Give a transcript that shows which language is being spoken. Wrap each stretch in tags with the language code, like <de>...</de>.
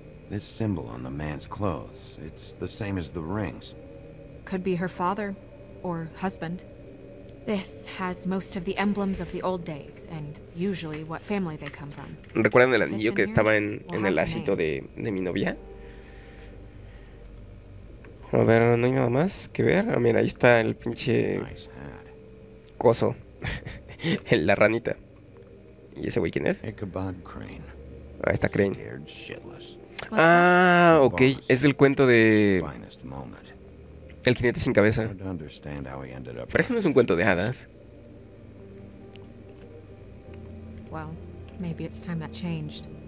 <en>This symbol on the man's clothes, it's the same as the rings. Could be her father or husband. This has most of the emblems of the old days and usually what family they come from.</en> <es>¿Recuerdan el anillo que estaba en el lacito de mi novia? A ver, no hay nada más que ver. Ah, mira, ahí está el pinche coso. La ranita. ¿Y ese güey quién es?</es> <en>Ichabod Crane.</en> <es>Ahí está Crane. Ah, ok. Es el cuento de... El jinete sin cabeza. Pero eso no es un cuento de hadas.</es> <en>Well, maybe it's time that changed.</en>